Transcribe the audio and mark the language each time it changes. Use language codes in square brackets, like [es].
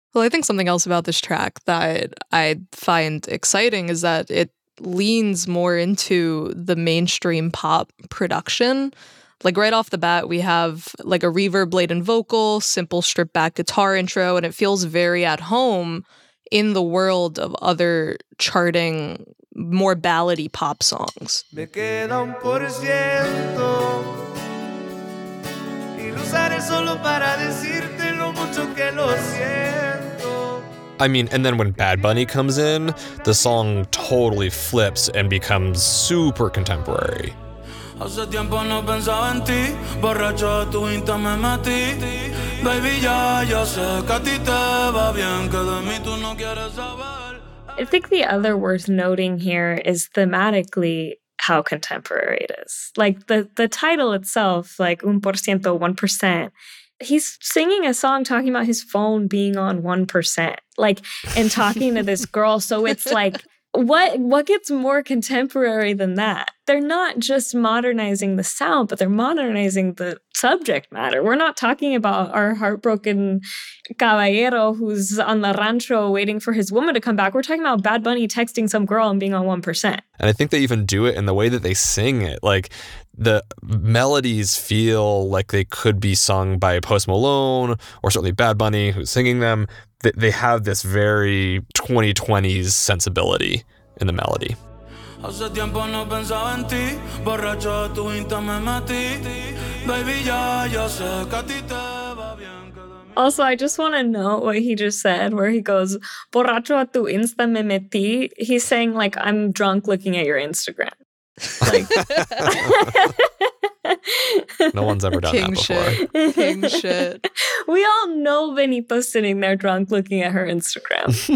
[en] Well, I think something else about this track that I find exciting is that it leans more into the mainstream pop production. Like, right off the bat, we have like a reverb laden vocal, simple stripped back guitar intro, and it feels very at home in the world of other charting, more ballady pop songs. [es] Me queda un por ciento, y lo usaré solo para decirte lo mucho que lo siento. [en] I mean, and then when Bad Bunny comes in, the song totally flips and becomes super contemporary. [es] Hace tiempo no pensaba en ti, borracho a tu insta me metí. Baby, ya yo sé que a ti te va bien, que de mí tú no quieres saber. [en] I think the other worth noting here is thematically how contemporary it is. Like, the title itself, like, [es] un por ciento, [en] 1%. He's singing a song talking about his phone being on 1%. Like, and talking to this girl. So it's like, what gets more contemporary than that? They're not just modernizing the sound, but they're modernizing the subject matter. We're not talking about our heartbroken caballero who's on the rancho waiting for his woman to come back. We're talking about Bad Bunny texting some girl and being on 1%. And I think they even do it in the way that they sing it. Like, the melodies feel like they could be sung by Post Malone or certainly Bad Bunny, who's singing them. They have this very 2020s sensibility in the melody. [es] Hace tiempo no pensaba en ti, borracho a tu insta me metí. Baby, ya yo sé que a ti te va bien. [en] Also, I just want to know what he just said, where he goes, [es] borracho a tu insta me metí. [en] He's saying, like, I'm drunk looking at your Instagram. Like, no one's ever done King that shit. Before. King shit. We all know Benito sitting there drunk looking at her Instagram.